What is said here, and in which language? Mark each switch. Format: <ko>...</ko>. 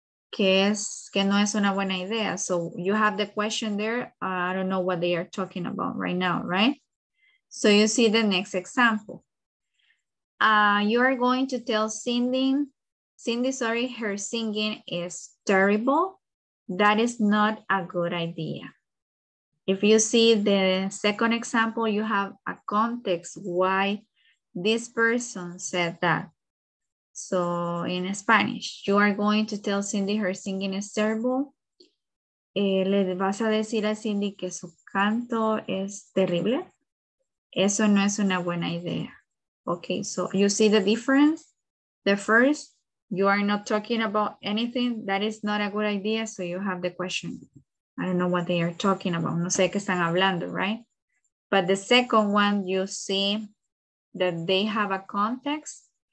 <es>Que es que no es una buena idea.</es> <en>So you have the question there. I don't know what they are talking about right now, right? So you see the next example. You are going to tell Cindy, her singing is terrible. That is not a good idea. If you see the second example, you have a context why this person said that. So in Spanish, you are going to tell Cindy her singing is terrible.</en> <es>Le vas a decir a Cindy que su canto es terrible. Eso no es una buena idea.</es> <en>Okay, so you see the difference? The first, you are not talking about anything. That is not a good idea. So you have the question. I don't know what they are talking about.</en> <es>No sé qué están hablando,</es> <en>right? But the second one, you see that they have a context.</en>